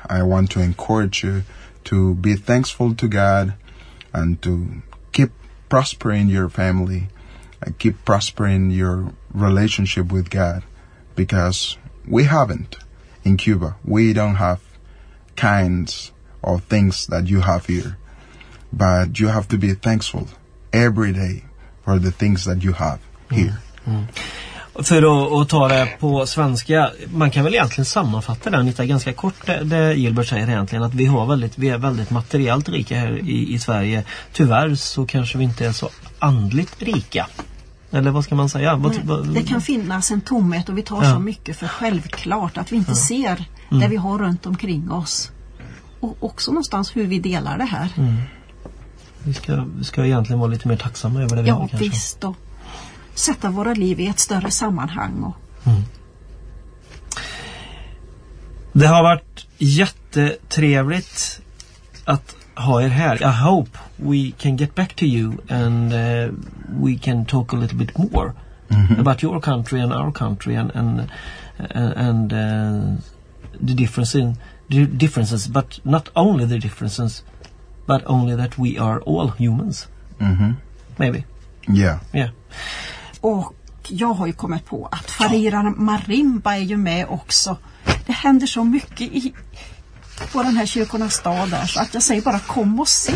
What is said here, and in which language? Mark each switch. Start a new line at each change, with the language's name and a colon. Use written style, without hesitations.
English: I want to encourage you to be thankful to God and to keep prospering your family and keep prospering your relationship with God, because we haven't in Cuba. We don't have kinds of things that you have here, but you have to be thankful every day for the things that you have here.
Swedish: För att ta det på svenska, man kan väl egentligen sammanfatta den lite ganska kort, det Gilbert säger egentligen, att vi är väldigt materiellt rika här i Sverige. Tyvärr så kanske vi inte är så andligt rika. Eller vad ska man säga? Det kan finnas en tomhet och vi tar så mycket för självklart att vi inte ser det vi har runt omkring oss. Och också någonstans hur vi delar det här. Vi ska egentligen vara lite mer tacksamma över det vi har kanske. Ja, visst då. Sätta våra liv i ett större sammanhang. Det har varit jättetrevligt att ha er här.
English: I hope we can get back to you and we can talk a little bit more about your country and our country and the differences, but not only the differences, but only that we are all humans. Maybe. Yeah.
Swedish: Och jag har ju kommit på att fariran marimba är ju med också. Det händer så mycket i på den här kyrkornas stad där, så att jag säger bara kom och se.